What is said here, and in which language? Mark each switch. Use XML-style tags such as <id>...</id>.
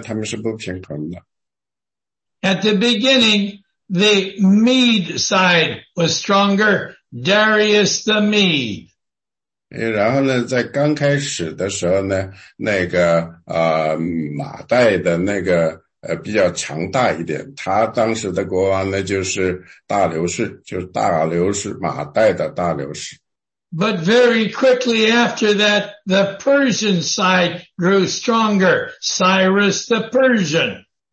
<zh>那实际上在尼布甲尼撒巴比伦王国的时候呢，当时存在着两个王国，一个是马代王国，波斯王国。他们那个马代王国呢，当时稍微强大一点，波斯呢稍微，所以两边呢，他们是不平衡的。</zh> <en>At the beginning, the Mede side was stronger, Darius the Mede.</en> <zh>然后呢，在刚开始的时候呢，那个马代的那个。比较强大一点，他当时的国王呢，就是大流士，就是大流士，马代的大流士。</zh> <en>But very quickly after that, the Persian side grew stronger, Cyrus the Persian.</en>